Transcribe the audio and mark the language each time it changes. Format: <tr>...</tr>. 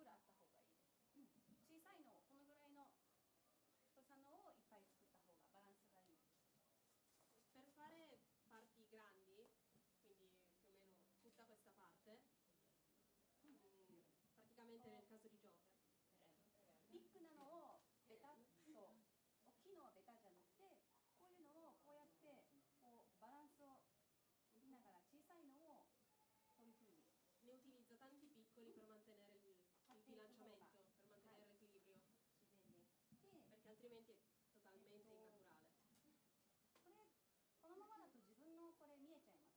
<ja>のをこのぐらいの太さのをいっぱい作った方がバランスがいい。</ja> <it>Per fare parti grandi, quindi più o meno tutta questa parte, praticamente nel caso di Joker.</it> <ja>ビッグなのをベタッと、大きいのはベタじゃなくて、こういうのをこうやってこうバランスを見ながら小さいのをこういうふうに。</ja> <it>Ne utilizzo tanti piccoli per mantenere il bilanciamento, per mantenere l'equilibrio, perché altrimenti è totalmente innaturale. Dato che ci sono i piccoli capelli delle vasette, per esempio, che non entrano sotto la parrucca.</it>